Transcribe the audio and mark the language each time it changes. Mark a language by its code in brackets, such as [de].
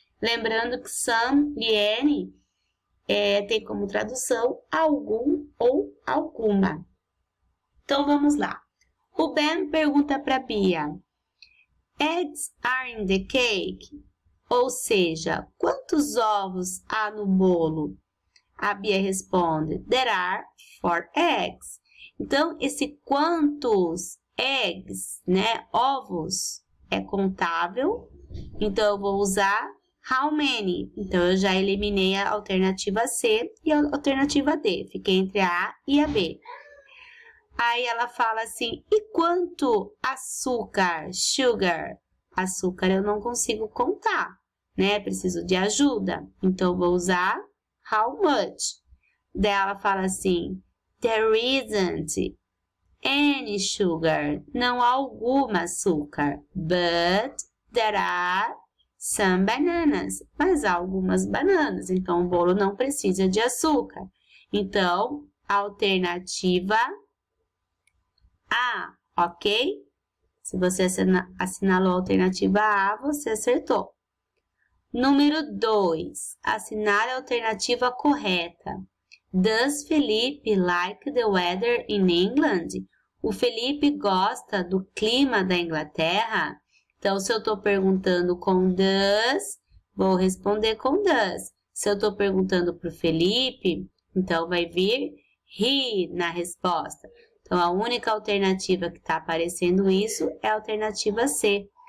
[pt] Lembrando que some e any tem como tradução algum ou alguma. Então vamos lá. O Ben pergunta para a Bia: [en] Eggs are in the cake? [pt] Ou seja, quantos ovos há no bolo? A Bia responde: [en] There are 4 eggs. [pt] Então, esse quantos eggs, né, ovos, é contável. Então, eu vou usar how many. Então, eu já eliminei a alternativa C e a alternativa D. Fiquei entre a A e a B. Aí, ela fala assim: E quanto açúcar, sugar? Açúcar eu não consigo contar, né? Preciso de ajuda. Então, eu vou usar how much? Daí ela fala assim: [en] There isn't any sugar. [pt] Não há alguma açúcar. [en] But there are some bananas. [pt] Mas há algumas bananas. Então o bolo não precisa de açúcar. Então, alternativa A, ok? Se você assinalou a alternativa A, você acertou. Número 2. Assinale a alternativa correta. [en] Does Felipe like the weather in England? [pt] O Felipe gosta do clima da Inglaterra? Então, se eu estou perguntando com does, vou responder com does. Se eu estou perguntando para o Felipe, então vai vir he na resposta. Então, a única alternativa que está aparecendo isso é a alternativa C.